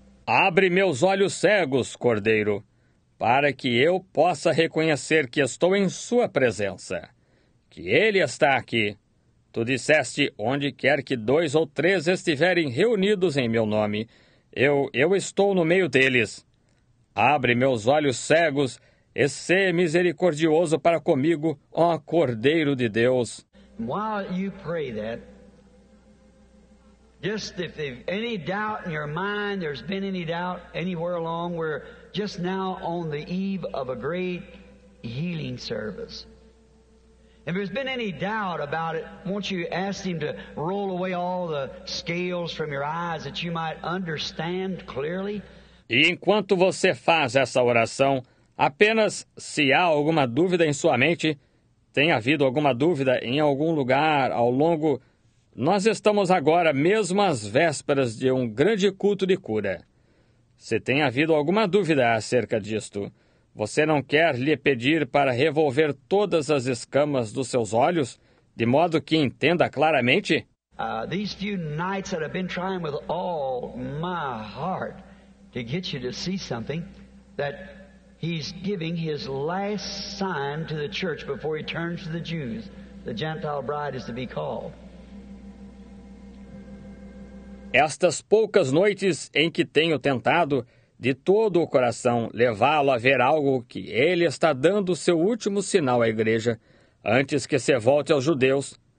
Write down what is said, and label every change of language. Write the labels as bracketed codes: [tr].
[pt] Abre meus olhos cegos, Cordeiro, para que eu possa reconhecer que estou em sua presença, que ele está aqui. Tu disseste, onde quer que dois ou três estiverem reunidos em meu nome, eu estou no meio deles. Abre meus olhos cegos e sê misericordioso para comigo, ó Cordeiro de Deus. [en] While you pray that, just if there's any doubt in your mind, there's been any doubt anywhere along, we're just now on the eve of a great healing service. If there's been any doubt about it, won't you ask him to roll away all the scales from your eyes that you might understand clearly? [pt] E enquanto você faz essa oração, apenas se há alguma dúvida em sua mente, tem havido alguma dúvida em algum lugar ao longo... Nós estamos agora mesmo às vésperas de um grande culto de cura. Se tem havido alguma dúvida acerca disto, você não quer lhe pedir para revolver todas as escamas dos seus olhos, de modo que entenda claramente? [en] These few nights that I've been trying with all my heart to get you to see something, that he's giving his last sign to the church before he turns to the Jews. The Gentile bride is to be called. [pt] Estas poucas noites em que tenho tentado, de todo o coração, levá-lo a ver algo que ele está dando seu último sinal à igreja, antes que se volte aos judeus.